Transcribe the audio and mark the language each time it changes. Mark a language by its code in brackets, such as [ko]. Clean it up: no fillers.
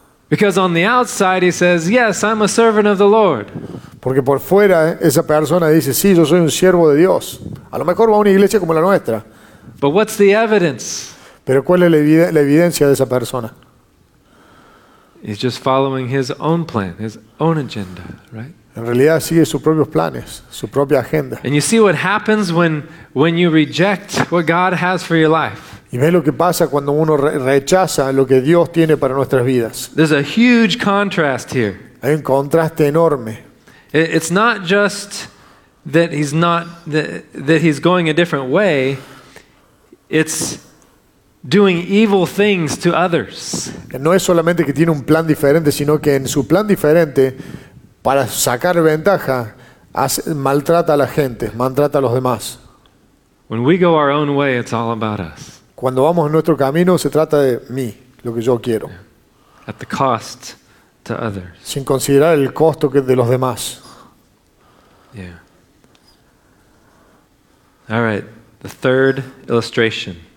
[en] Because on the outside he says, "Yes, I'm a servant of the Lord." [es] Porque por fuera esa persona dice, "Sí, yo soy un siervo de Dios." A lo mejor va a una iglesia como la nuestra. [en] But what's the evidence? [es] Pero ¿cuál es la evidencia de esa persona? [en] He's just following his own plan, his own agenda, right? [es] En realidad sigue sus propios planes, su propia agenda. [en] And you see what happens when you reject what God has for your life. [es] Y ve lo que pasa cuando uno rechaza lo que Dios tiene para nuestras vidas. [en] There's a huge contrast here. [es] Hay un contraste enorme. [en] It's not just that he's not that he's going a different way. It's doing evil things to others. [es] No es solamente que tiene un plan diferente, sino que en su plan diferente, para sacar ventaja, maltrata a la gente, maltrata a los demás. [en] When we go our own way, it's all about us. [es] Cuando vamos en nuestro camino, se trata de mí, lo que yo quiero. [en] At the cost to others. [es] Sin considerar el costo que de los demás. [en] Yeah. All right, the third illustration.